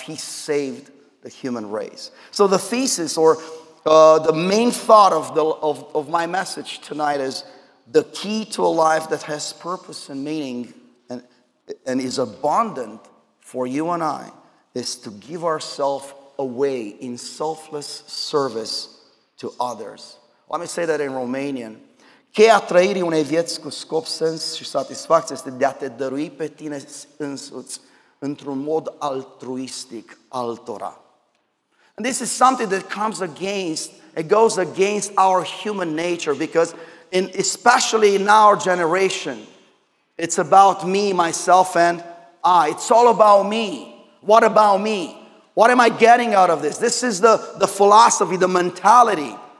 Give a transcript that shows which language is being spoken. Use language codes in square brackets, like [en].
[en] He saved the human race. So the thesis or the main thought of my message tonight is, the key to a life that has purpose and meaning and is abundant for you and I is to give ourselves away in selfless service to others. Let me say that in Romanian. [ro] Che a trăirii unei vieți cu scop, sens și satisfacție este de a te dărui pe tine însuți într-un mod altruistic altora. [en] And this is something that comes against, it goes against our human nature because especially in our generation, it's about me, myself, and I. It's all about me. What about me? What am I getting out of this? This is the philosophy, the mentality.